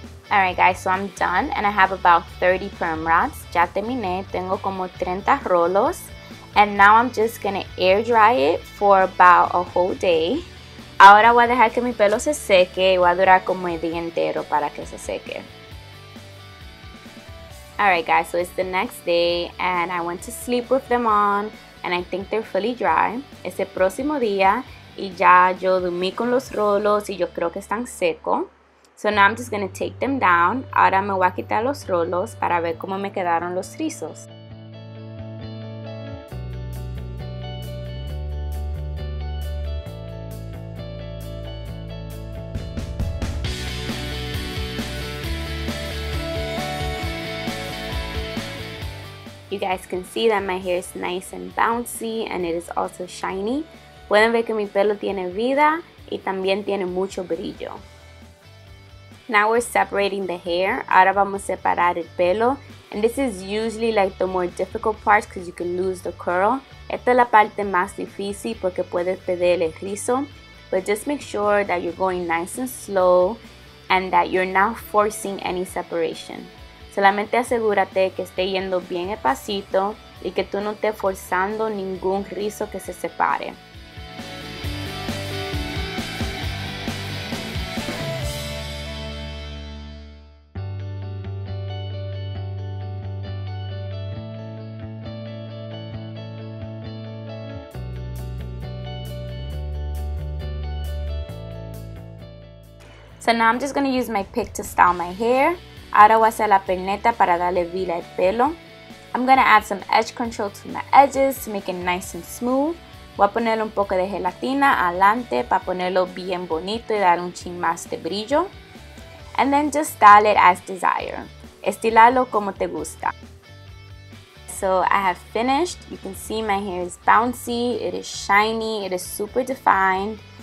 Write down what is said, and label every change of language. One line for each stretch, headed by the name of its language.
English: Alright guys, so I'm done and I have about 30 perm rods.
Spanish: Ya terminé, tengo como 30 rollos.
English: And now I'm just gonna air dry it for about a whole day.
Spanish: Ahora voy a dejar que mi pelo se seque y voy a durar como el día entero para que se seque.
English: Alright guys, so it's the next day and I went to sleep with them on and I think they're fully dry.
Spanish: Es el próximo día y ya yo dormí con los rollos y yo creo que están secos.
English: So now I'm just going to take them down.
Spanish: Ahora me voy a quitar los rollos para ver cómo me quedaron los rizos.
English: You guys can see that my hair is nice and bouncy and it is also shiny.
Spanish: Pueden ver que mi pelo tiene vida y también tiene mucho brillo.
English: Now we're separating the hair.
Spanish: Ahora vamos a separar el pelo.
English: And this is usually like the more difficult part because you can lose the curl.
Spanish: Esta es la parte más difícil porque puedes perder el rizo.
English: But just make sure that you're going nice and slow and that you're not forcing any separation.
Spanish: Solamente asegúrate que esté yendo bien el pasito y que tú no estés forzando ningún rizo que se separe.
English: So now I'm just going to use my pick to style my hair.
Spanish: Ahora voy a hacer la peineta para darle vida al pelo.
English: I'm going to add some edge control to my edges to make it nice and smooth.
Spanish: Voy a ponerle un poco de gelatina adelante para ponerlo bien bonito y dar un ching más de brillo.
English: And then just style it as desire.
Spanish: Estilalo como te gusta.
English: So I have finished. You can see my hair is bouncy, it is shiny, it is super defined.